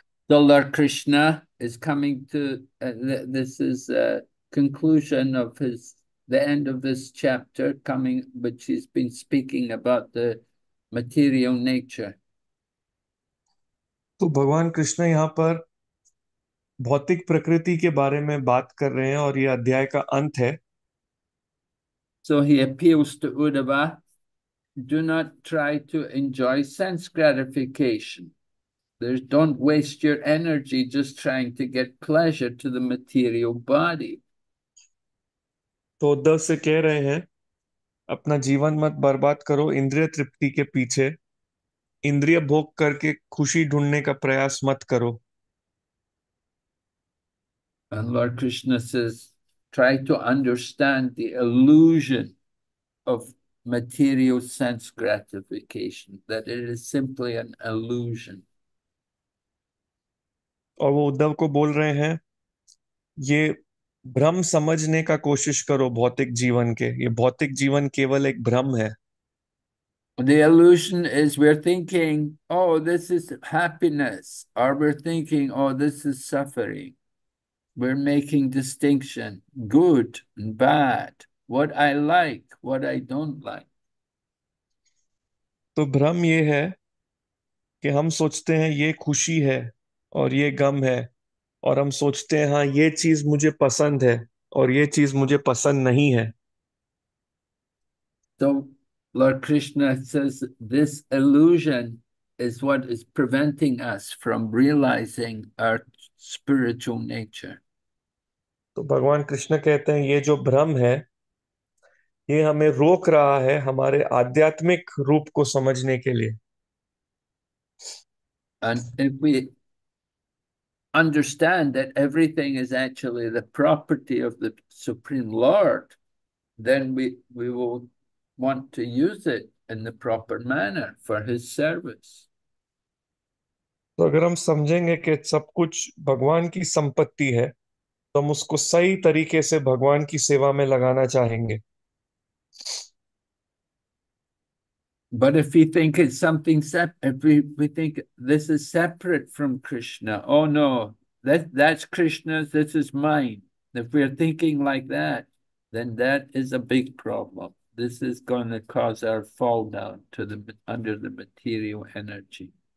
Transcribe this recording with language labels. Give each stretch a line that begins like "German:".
English: The Lord Krishna is coming to this is a conclusion of his the end of this chapter coming, which he's been speaking about the material nature.
Hindi: तो भगवान कृष्ण यहाँ पर भौतिक प्रकृति के बारे में बात कर रहे हैं और यह अध्याय का अंत है।
English: So he appeals to Uddhava, do not try to enjoy sense gratification. There's, don't waste your energy just trying to get pleasure to the material body.
Hindi: तो उद्धव से कह रहे हैं अपना जीवन मत बर्बाद करो इंद्रिय तृप्ति के पीछे, इंद्रिय भोग करके खुशी ढूंढने का प्रयास मत करो।
English: And Lord Krishna says, try to understand the illusion of material sense gratification, that it is simply an illusion.
Hindi: और वो उद्धव को बोल रहे हैं ये भ्रम समझने का कोशिश करो भौतिक जीवन के, ये भौतिक जीवन केवल एक भ्रम है।
English: The illusion is we're thinking, oh, this is happiness, or we're thinking, oh, this is suffering. We're making distinction, good and bad, what I like, what I don't like.
Hindi: तो भ्रम ये है कि हम सोचते हैं ये खुशी है और ये गम है, और हम सोचते हैं हाँ ये चीज मुझे पसंद है और ये चीज मुझे पसंद नहीं है।
English: So, Lord Krishna says this illusion is what is preventing us from realizing our spiritual nature.
Hindi: तो भगवान कृष्ण कहते हैं ये जो भ्रम है ये हमें रोक रहा है हमारे आध्यात्मिक रूप को समझने के लिए।
English: And if we understand that everything is actually the property of the Supreme Lord, then we will want to use it in the proper manner for his service.
Hindi: तो अगर हम समझेंगे कि सब कुछ भगवान की संपत्ति है तो हम उसको सही तरीके से भगवान की सेवा में लगाना चाहेंगे।
English: But if we think it's something separate, if we think this is separate from Krishna, oh no, that's Krishna's, this is mine. If we're thinking like that, then that is a big problem. This is going to cause our fall down to the under the material energy.